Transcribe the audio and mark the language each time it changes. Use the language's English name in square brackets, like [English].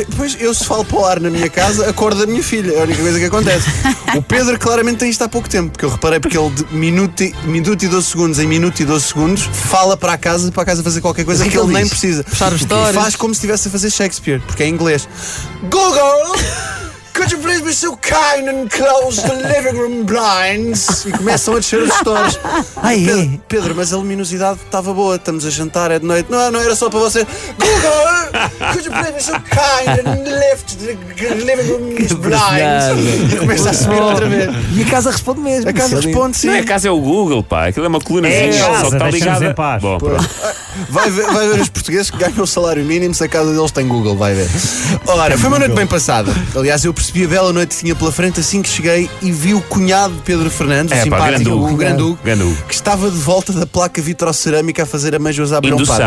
[Portuguese] Pois, eu se falo para o ar na minha casa, acordo a minha filha. É a única coisa que acontece. O Pedro claramente tem isto há pouco tempo, porque eu reparei, porque ele de minuto e 12 segundos fala para a casa, fazer qualquer coisa que ele nem precisa. Faz como se estivesse a fazer Shakespeare, porque é em inglês. [English] Google, could you please be so kind and close the living room blinds? [Portuguese] E começam a descer os stores. Pedro, mas a luminosidade estava boa. Estamos a jantar, é de noite. Não era só para você. [English] Google, could you please be so kind and lift the living room blinds? [Portuguese] E começa a subir outra vez. E a casa responde mesmo. A casa responde, sim. Não, a casa é o Google, pá. Aquilo é uma colunazinha. É, só está ligada. Em paz. Bom, Vai ver os portugueses que ganham o salário mínimo se a casa deles tem Google, vai ver. Ora, foi uma noite bem passada. Aliás, eu percebi a bela noite que tinha pela frente assim que cheguei e vi o cunhado de Pedro Fernandes, o simpático Grandu, que estava de volta da placa vitrocerâmica a fazer a mãe José Abreu.